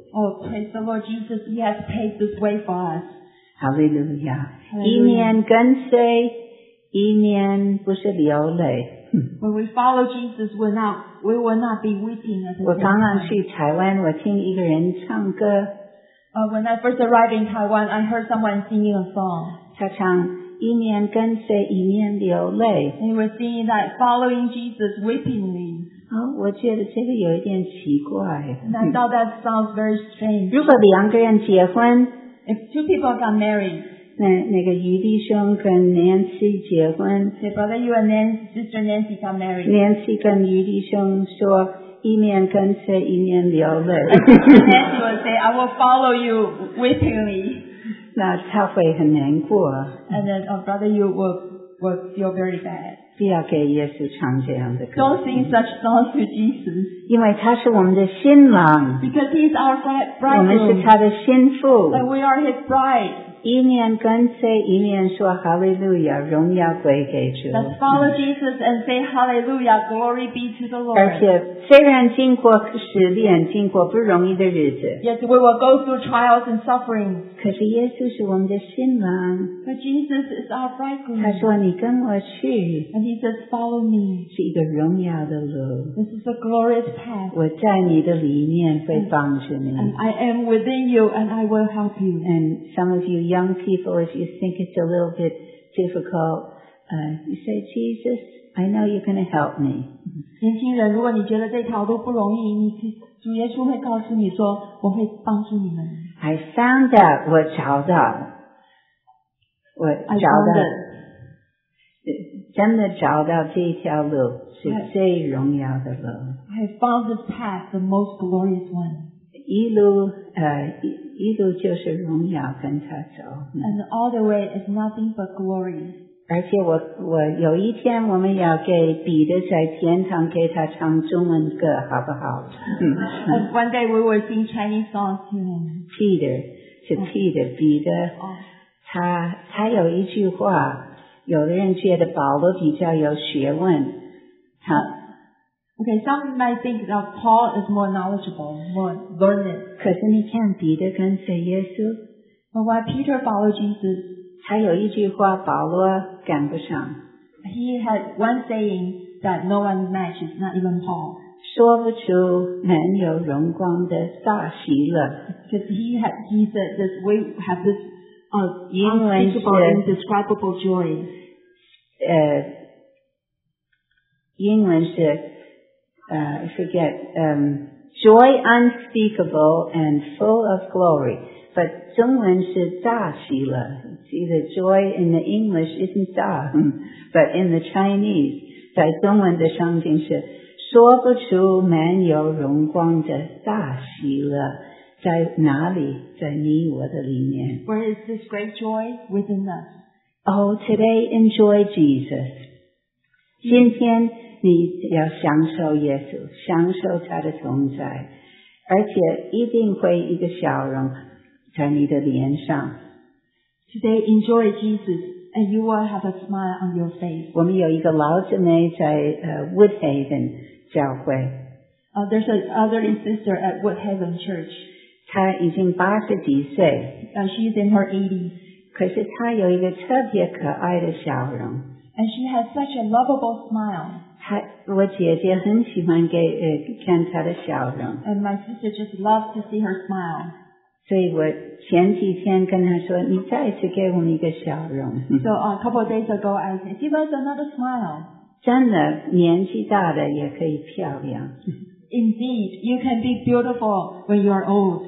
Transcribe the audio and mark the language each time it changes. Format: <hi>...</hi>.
<en>Oh, praise the Lord Jesus, He has paved this way for us. Hallelujah.</en> <zh>一年跟随，一年不是流泪。</zh> <en>When we follow Jesus, we will not be weeping.</en> <zh>我刚刚去台湾，我听一个人唱歌。</zh> <en>When I first arrived in Taiwan, I heard someone singing a song.</en> <zh>他唱一年跟随，一年流泪。</zh> <en>He was singing that following Jesus weepingly.</en> <zh>我觉得这个有一点奇怪。</zh> <en>I thought that sounds very strange.</en> <zh>如果两个人结婚</zh> <en>，If two people got married,</en> <zh>那个余弟兄跟 Nancy 结婚</zh> <en>，Say brother, you and Nancy, sister Nancy got married.</en> <zh>Nancy 跟余弟兄说，一年跟随，一年流泪。</zh> <en>Nancy would say, I will follow you willingly.</en> <zh>那他会很难过。</zh> <en>And then, oh brother, you will feel very bad.</en> <zh>不要给耶稣唱这样的歌。</zh> <en>Don't sing such songs to Jesus.</en> <zh>因为他是我们的新郎。</zh> <en>Because he is our bridegroom.</en> <zh>我们是他的新妇。</zh> <en>But we are his bride.</en> <zh>一面跟随，一面说 Hallelujah, 荣耀归给主。</zh> <en>Let's follow Jesus and say Hallelujah, glory be to the Lord.</en> <zh>而且虽然经过试炼，经过不容易的日子。</zh> <en>Yet we will go through trials and suffering.</en> <zh>可是耶稣是我们的新郎。</zh> <en>But Jesus is our bridegroom.</en> <zh>他说你跟我去。</zh> <en>And he says, follow me.</en> <zh>是一个荣耀的路。</zh> <en>This is a glorious path.</en> <zh>我在你的里面会帮助你。</zh> <en>And I am within you and I will help you. And some of you young people, if you think it's a little bit difficult, you say, Jesus, I know you're going to help me.</en> <zh>年轻人，如果你觉得这条路不容易，你主耶稣会告诉你说，我会帮助你们。</zh> <en>I found that,</en> <zh>我找到。我找到。真的找到这条路是最荣耀的路。</zh> <en>I have found this path, the most glorious one.</en> <zh>一路就是荣耀跟他走。</zh> <en>And all the way is nothing but glory.</en> <zh>而且我有一天我们要给彼得在天堂给他唱中文歌好不好</zh> <en>One day we will sing Chinese songs to him.</en> <zh>Peter, 是 Peter, 彼得。他有一句话有的人觉得保罗比较有学问。</zh> <en>Okay, some might think that Paul is more knowledgeable, more learned.</en> <zh>可是你看彼得跟随耶稣。</zh> <en>But why Peter followed Jesus?</en> <zh>他有一句话保罗赶不上。</zh> <en>He had one saying that no one matches, not even Paul.</en> <zh>说不出满有荣光的大喜乐。</zh> <en>Because he said that we have this,indescribable joy.</en> <zh>英文是</zh> <en>joy unspeakable and full of glory. But</en> <zh>中文是大喜乐。</zh> <en>See, the joy in the English isn't</en> <zh>大</zh> <en>but in the Chinese,</en> <zh>在中文的圣经是说不出满有荣光的大喜乐。在哪里？在你我的里面。</zh> <en>Where is this great joy within us? Oh, today enjoy Jesus.</en> <zh>今天你要享受耶稣，享受他的存在，而且一定会一个笑容在你的脸上。</zh> <en>Today enjoy Jesus, and you will have a smile on your face.</en> <zh>我们有一个老姊妹在Woodhaven 教会。</zh> <en>There's an elderly sister at Woodhaven Church.</en> <zh>她已经八十几岁。</zh> <en>She's in her 80s.</en> <zh>可是她有一个特别可爱的笑容。</zh> <en>And she has such a lovable smile.</en> <zh>我姐姐很喜欢给看她的笑容。</zh> <en>And my sister just loves to see her smile.</en> <zh>所以我前几天跟她说，你再次给我们一个笑容。</zh> <en>So a couple of days ago, I said, give us another smile.</en> <zh>真的，年纪大的也可以漂亮。</zh> <en>Indeed, you can be beautiful when you are old.</en>